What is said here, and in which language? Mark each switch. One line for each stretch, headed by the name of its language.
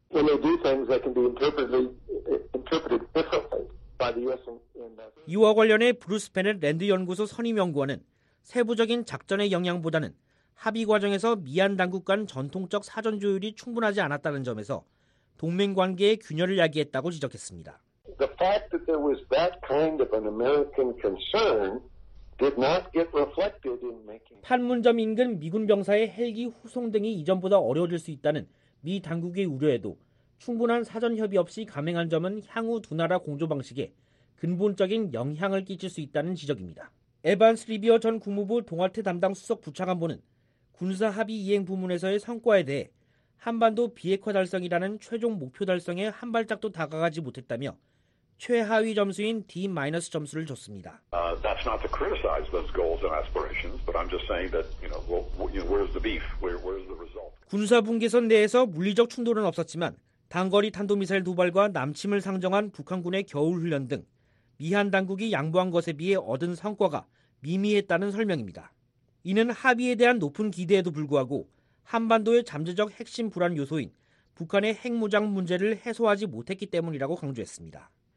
English: When they do things that can be interpreted differently by the US and...
Korean: 이와 관련해 브루스 베넷 랜드 연구소 선임 연구원은 세부적인 작전의 영향보다는 합의 과정에서 미한 당국 간 전통적 사전 조율이 충분하지 않았다는 점에서 동맹 관계의 균열을 야기했다고 지적했습니다.
English: The fact that there was that kind of an American concern did not get reflected in making.
Korean: 판문점 인근 미군 병사의 헬기 후송 등이 이전보다 어려워질 수 있다는 미 당국의 우려에도 충분한 사전 협의 없이 감행한 점은 향후 두 나라 공조 방식에 근본적인 영향을 끼칠 수 있다는 지적입니다. 에반스 리비어 전 국무부 동아태 담당 수석 부차관보는 군사 합의 이행 부문에서의 성과에 대해 한반도 비핵화 달성이라는 최종 목표 달성에 한 발짝도 다가가지 못했다며 최하위 점수인 D- 점수를 줬습니다.
English: That's not to criticize those goals and aspirations, but I'm just saying that, you know, where's the beef? Where's the result?
Korean: 군사 분계선 내에서 물리적 충돌은 없었지만 단거리 탄도미사일 도발과 남침을 상정한 북한군의 겨울 훈련 등 미한 당국이 양보한 것에 비해 얻은 성과가 미미했다는 설명입니다. 이는 합의에 대한 높은 기대에도 불구하고 한반도의 잠재적 핵심 불안 요소인 북한의 핵무장 문제를 해소하지 못했기 때문이라고 강조했습니다.